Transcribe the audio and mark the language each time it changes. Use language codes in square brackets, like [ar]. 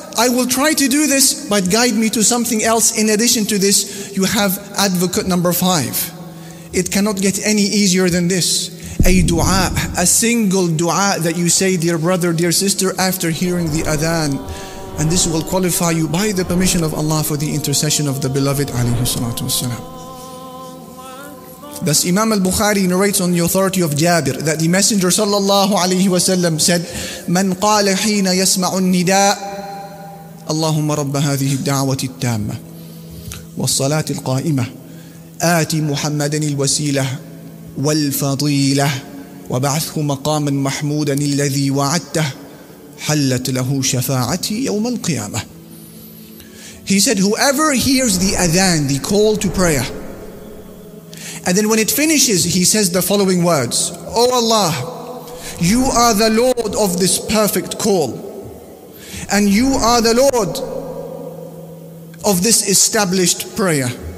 [en] I will try to do this, but guide me to something else. In addition to this, you have advocate number five. It cannot get any easier than this. A dua, a single dua that you say, dear brother, dear sister, after hearing the adhan. And this will qualify you by the permission of Allah for the intercession of the beloved alayhi salatu wasalam. Thus Imam al-Bukhari narrates on the authority of Jabir that the Messenger sallallahu alayhi wasallam said, [ar] من قال حين يسمع النداء اللهم رب هذه الدعوة التامة والصلاة القائمة آتي محمد الوسيلة والفضيلة وبعثه مقاما محمودا الذي وعدته حلت له شفاعتي يوم القيامة. [en] He said, whoever hears the adhan, the call to prayer, and then when it finishes, he says the following words, O Allah, you are the Lord of this perfect call, and you are the Lord of this established prayer.